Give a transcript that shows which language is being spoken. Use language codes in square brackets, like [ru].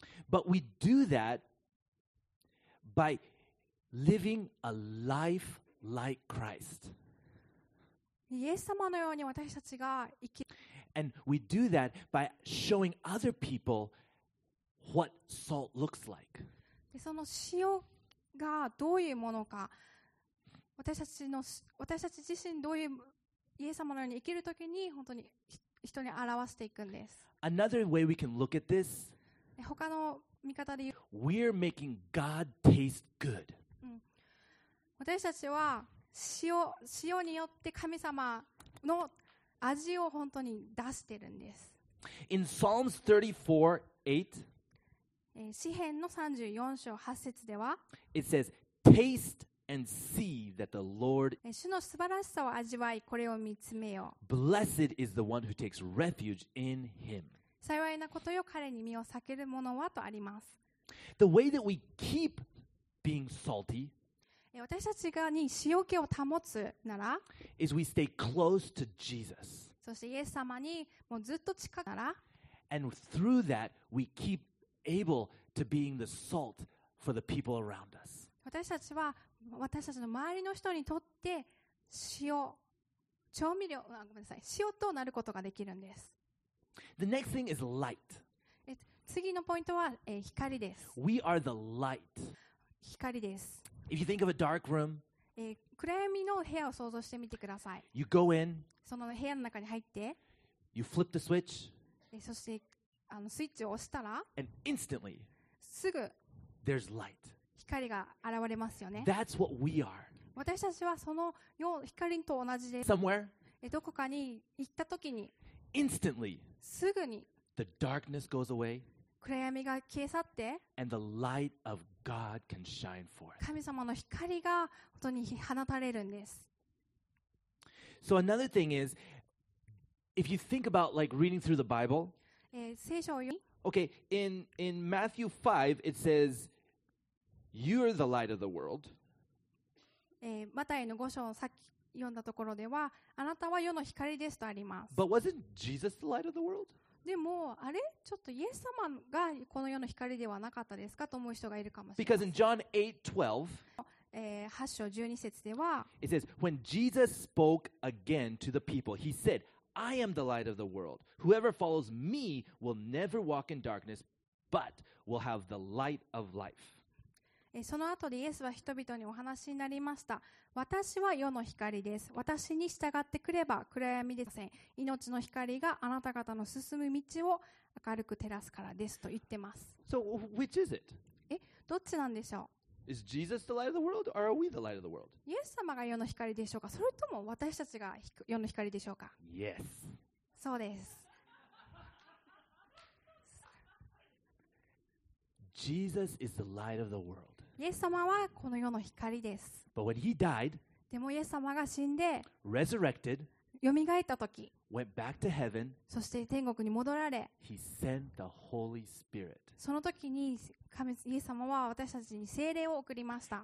[en] But we do that by living a life like Christ. [ja] イエス様のように私たちが生き、 [en] And we do that by showing other people what salt looks like. [ja] で、その塩がどういうものか、私たち自身どういうイエス様のように生きるときに本当に人に表していくんです。 [en] Another way we can look at this, [ja] 他の見方で言う、 [en] We're making God taste good.、 [ja] うん、私たちは塩によって神様の味を本当に出してるんです。 [en] In Psalms 34:8, [ja] 詩編の34章8節では、 [en] It says, "Taste and see that the Lord." [ja] 主の素晴らしさを味わい、これを見つめよう。 [en] Blessed is the one who takes refuge in Him. [ja] 幸いなことよ、彼に身を避けるものはとあります。 [en] The way that we keep being salty. [ja] 私たちがに塩気を保つなら、 [en] is we stay close to Jesus. [ja] そしてイエス様にもうずっと近くなら、 [en] and through that we keep able to being the salt for the people around us. [ja] 私たちは私たちの周りの人にとって塩、調味料、あ、ごめんなさい、塩となることができるんです。 [en] The next thing is light. [ja] 次のポイントは光です。 [en] We are the light. [ja] 光です。 [en] If you think of a dark room, [ja] 暗闇の部屋を想像してみてください。 [en] You go in, [ja] その部屋の中に入って、 [en] You flip the switch, [ja] そしてスイッチを押したら、 [en] And instantly, [ja] すぐ、 [en] There's light. [ja] 光が現れますよね。 [en] That's what we are. [ja] 私たちはその光と同じで、 [en] somewhere、 [ja] どこかに行ったときに、 [en] instantly、 [ja] すぐに、 [en] the darkness goes away、 [ja] 暗闇が消え去って、 [en] and the light of God can shine forth、 [ja] 神様の光が本当に放たれるんです。 [en] So another thing is, if you think about like reading through the Bible, [ja] 聖書を読み、 [en] okay, in Matthew 5, it says, you are the light of the world. [ja] マタイの5章をさっき読んだところでは、あなたは世の光ですとあります。 [en] But wasn't Jesus the light of the world? [ja] でも、あれ？ちょっとイエス様がこの世の光ではなかったですかと思う人がいるかもしれません。 [en] Because in John 8:12, [ja] 8章12節では、 [en] It says, when Jesus spoke again to the people, he said, I am the light of the world. Whoever follows me will never walk in darkness, but will have the light of life. [ja] その後でイエスは人々にお話になりました。私は世の光です。私に従ってくれば暗闇でません。命の光があなた方の進む道を明るく照らすからですと言ってます。 [en] So which is it? [ja] どっちなんでしょう。 [en] Is Jesus the light of the world or are we the light of the world? [ja] イエス様が世の光でしょうか、それとも私たちが世の光でしょうか。 [en] Yes. [ja] そうです。 [en] Jesus is the light of the world. [ja] イエス様はこの世の光です。 [en] But when he died, [ja] でもイエス様が死んで、 [en] resurrected, [ja] 蘇った時、 [en] went back to heaven, [ja] そして天国に戻られ、 [en] he sent the Holy Spirit. [ja] その時に神イエス様は私たちに聖霊を送りました。